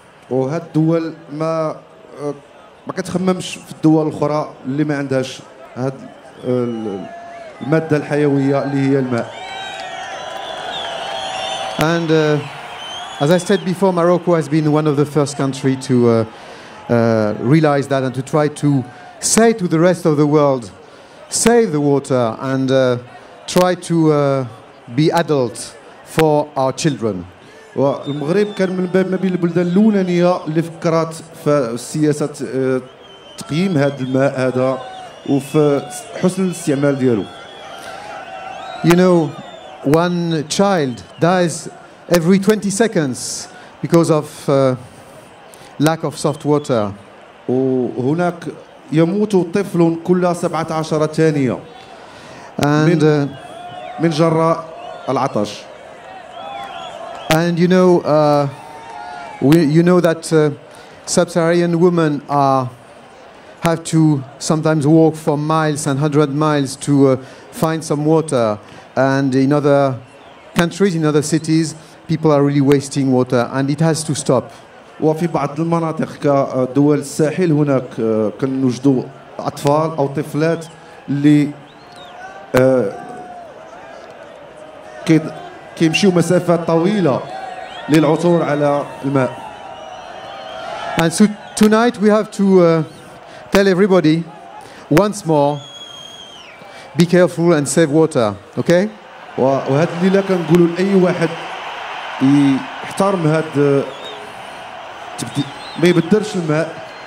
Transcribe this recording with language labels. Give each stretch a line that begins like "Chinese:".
English: And as I said before, Morocco has been one of the first countries to realize that and to try to say to the rest of the world, save the water and try to be adult for our children.
Arabic: والمغرب كان من باب ما بين البلدان الأولانية اللي فكرت في سياسة تقييم هذا الماء هذا وفي حسن الاستعمال دياله.
English: You know, one child dies every 20 seconds because of lack of soft water.
Arabic: وهناك يموت طفل كل 17 ثانية من جراء العطش.
English: And you know, that sub-Saharan women have to sometimes walk for miles and 100 miles to find some water. And in other countries, in other cities, people are really wasting water, and it has to stop.
Arabic: وفي بعض المناطق كدول الساحل هناك كنوجدوا أطفال أو طفلات اللي كيمشيو مسافات طويلة للعثور على الماء.
English: And so tonight we have to tell everybody once more, be careful and save water, okay?
Arabic: وهذه الليلة كنقولوا لأي واحد يحترم هاد ما يبدرش الماء.